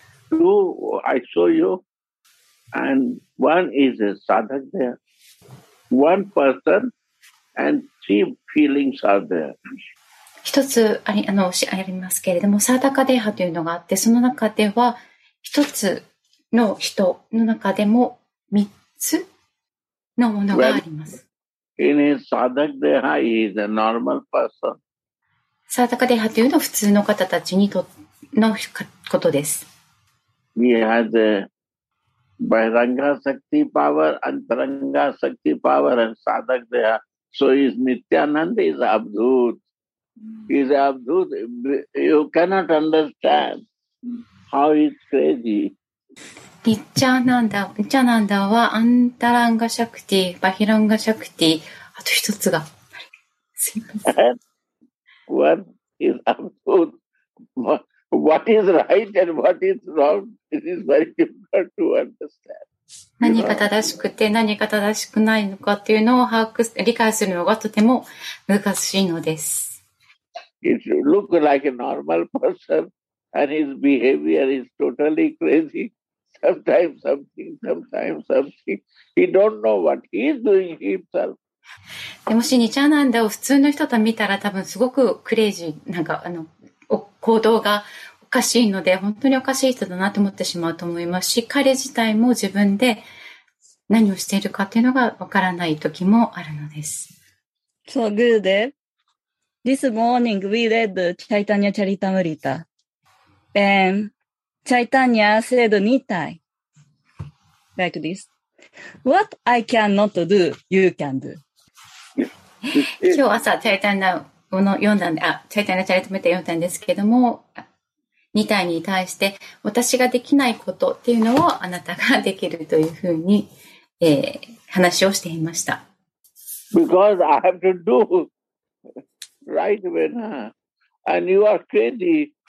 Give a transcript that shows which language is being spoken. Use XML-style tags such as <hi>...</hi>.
<en>Two, I show you, and one is a sadhak there. One person and three feelings are there.</en> <ja>一つありますけれども、サダカデハというのがあって、その中では一つの人の中でも三つのものがあります。</ja> <en>In his sadhak deha, he is a normal person.</en> <ja>サダカデハというのは普通の方たちにとってのことです。</ja> <en>He has a Bahiranga Shakti power, Antaranga Shakti power, and Sadhak Deha. So his Nityananda is Abdhut. He's Abdhut. You cannot understand how he's crazy.</en> <ja>Nityananda は Antaranga Shakti, Bahiranga Shakti, あと一つが。すみません。</ja> <en>What is Abdhut? What is right and what is wrong? This is very important to understand.</en> <ja>何が正しくて何が正しくないのかっていうのを把握理解するのがとても難しいのです。</ja> <en>It should look like a normal person and his behavior is totally crazy. Sometimes something, sometimes something. He don't know what he is doing himself.</en> <ja>でもしニチャナンダを普通の人と見たら多分すごくクレイジーなんか行動がおかしいので本当におかしい人だなと思ってしまうと思いますし、彼自体も自分で何をしているかっていうのがわからない時もあるのです。</ja> <en>So Gurudev, this morning we read Chaitanya Charitamrita and Chaitanya said Nittai like this: What I cannot do, you can do.</en> <ja>今日朝チャイタンナを読んだんで、チャイタンナチャリタムリタ読んだんですけども、二体に対して私ができないことっていうのをあなたができるというふうに、話をしていました。</ja> <en>Because I have to do right way now, and you are crazy.</en>